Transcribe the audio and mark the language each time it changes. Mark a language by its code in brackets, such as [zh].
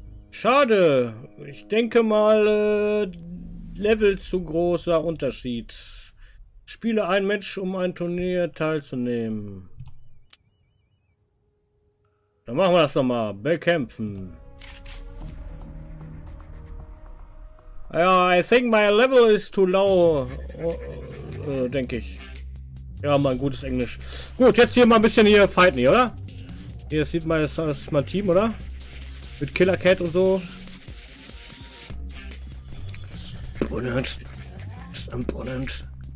[de] Schade. Ich denke mal, Level zu großer Unterschied. Spiele ein Match, um ein Turnier teilzunehmen. Dann machen wir das noch mal. Bekämpfen. [en] Ja, I think my level is too low, [de] denke ich. Ja, mein gutes Englisch. Gut, jetzt hier mal ein bisschen hier fighten, oder? Hier sieht man, das ist mein Team, oder? Mit Killer Cat und so. Bonnet. Ist ein Bonnet.